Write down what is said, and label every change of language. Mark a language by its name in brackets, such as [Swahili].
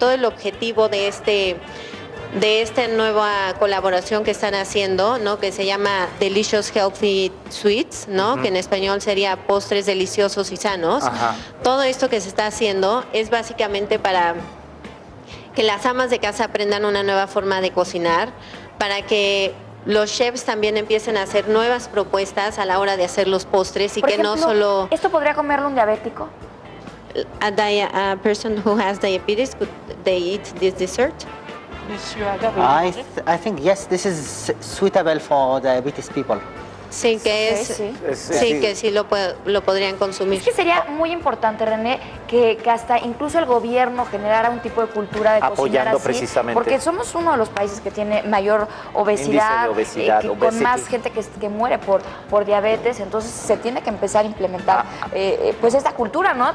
[Spanish] Todo el objetivo de esta nueva colaboración que están haciendo, ¿no?, que se llama Delicious Healthy Sweets, ¿no?, uh-huh, que en español sería postres deliciosos y sanos. Ajá. Todo esto que se está haciendo es básicamente para que las amas de casa aprendan una nueva forma de cocinar, para que los chefs también empiecen a hacer nuevas propuestas a la hora de hacer los postres y por que ejemplo, no solo... ¿Esto podría comerlo un diabético? [English] A person who has diabetes, could they eat this dessert? I think, yes, this is suitable for diabetes people. [Spanish] Sí, que es, okay, sí. Sí, sí, que sí lo podrían consumir. Es que sería muy importante, René, que hasta incluso el gobierno generara un tipo de cultura de apoyando cocinar así, precisamente. Porque somos uno de los países que tiene mayor obesidad, con más gente que muere por diabetes, entonces se tiene que empezar a implementar pues esta cultura, ¿no?